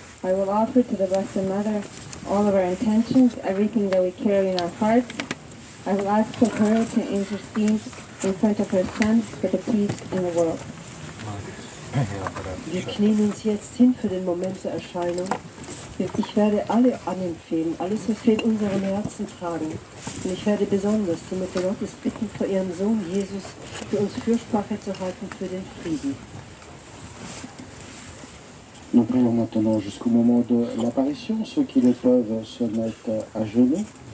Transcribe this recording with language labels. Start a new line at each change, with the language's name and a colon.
English: I will offer to the Blessed Mother all of our intentions, everything that we carry in our hearts. I will ask for her to intercede in front of her son for the peace in the world.
German: Wir knien uns jetzt hin für den Moment der Erscheinung. Ich werde alle anempfehlen, alles, was wir in unserem Herzen tragen. Und ich werde besonders die Mutter Gottes bitten, vor ihrem Sohn Jesus für uns Fürsprache zu halten für den Frieden.
French: Nous prions maintenant jusqu'au moment de l'apparition, ceux qui le peuvent se mettre à genoux.